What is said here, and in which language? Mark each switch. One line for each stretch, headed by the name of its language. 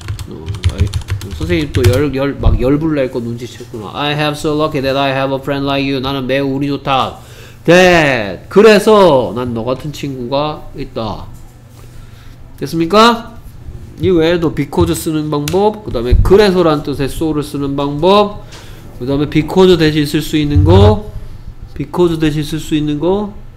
Korean: 어, 선생님 또 막 열불 날 거 눈치챘구나.
English: I have so lucky that I have a friend like you.
Korean: 나는 매우 운이 좋다. That. 그래서 난 너 같은 친구가 있다. 됐습니까? 이 외에도 because 쓰는 방법, 그 다음에 그래서란 뜻의 so를 쓰는 방법, 그 다음에 because 대신 쓸 수 있는 거, because 대신 쓸 수 있는 거.